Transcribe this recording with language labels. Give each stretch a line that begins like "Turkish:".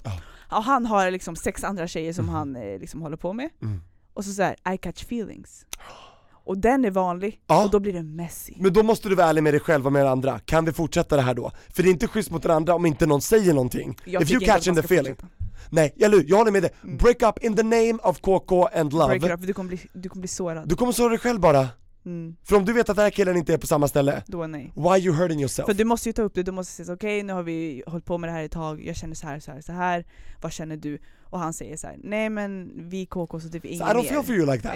Swedish: Oh. Och han har liksom 6 andra tjejer som han liksom håller på med. Mm. Och så här,
English: I catch feelings.
Swedish: Och den är vanlig, och då blir det messy. Men då måste du vara ärlig med dig själv och med andra. Kan vi fortsätta det här då? För det är inte schysst mot den andra om inte någon säger någonting. Jag,
English: if you catch in the feeling.
Swedish: Nej, jag håller med dig.
English: Break up in the name of KK and love.
Swedish: Break up, för du kommer bli sårad. Du kommer såra dig själv bara. Mm. För om du vet att den här killen inte är på samma ställe, då nej.
English: Why are you hurting yourself?
Swedish: För du måste ju ta upp det. Du måste säga, okej, okay, nu har vi hållit på med det här ett tag. Jag känner så här, så här, så här. Vad känner du? Och han säger så här, nej men vi KK så typ ingen mer.
English: I don't feel for you like that.